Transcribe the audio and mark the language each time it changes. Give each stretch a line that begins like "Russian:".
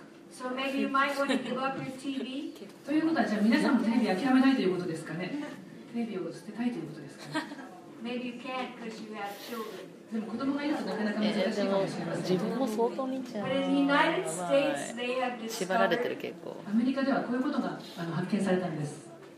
English: So maybe you might want to give up your TV.
Japanese: ということはじゃあ皆さんもテレビ諦めないということですかね。テレビを捨てたいということですかね。
English: Maybe you can't because you have children.
Japanese: でも子供がいるとなかなか難しいかもしれません。自分も相当見ちゃう。
English: But in the United States, they have discovered.
Japanese: 縛られてる結構。アメリカではこういうことが発見されたんです。